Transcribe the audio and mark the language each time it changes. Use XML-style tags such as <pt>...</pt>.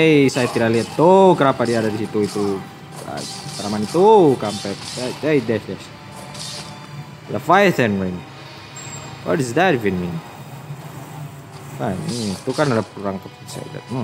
<id>Saya tidak lihat tuh kenapa dia ada di situ itu. Taraman itu kampret. Dash.</id> <en>Leviathan ring. What does that even mean?</en> <id>Nah, ini itu kan ada perangkap insider.</id>